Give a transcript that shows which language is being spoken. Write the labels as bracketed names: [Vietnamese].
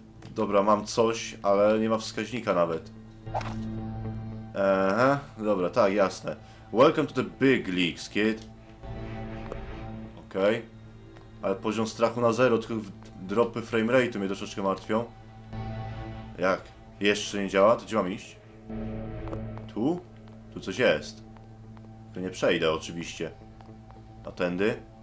[Polish] Dobra, mam coś, ale nie ma wskaźnika nawet. Aha, dobra, tak, jasne. [English] Welcome to the big leagues, kid. Okej. Okay. [Polish] Ale poziom strachu na zero, tylko dropy frame rate'u mnie troszeczkę martwią. Jak? Jeszcze nie działa? To gdzie mam iść? Tu? Tu coś jest. Tu nie przejdę oczywiście. A tędy?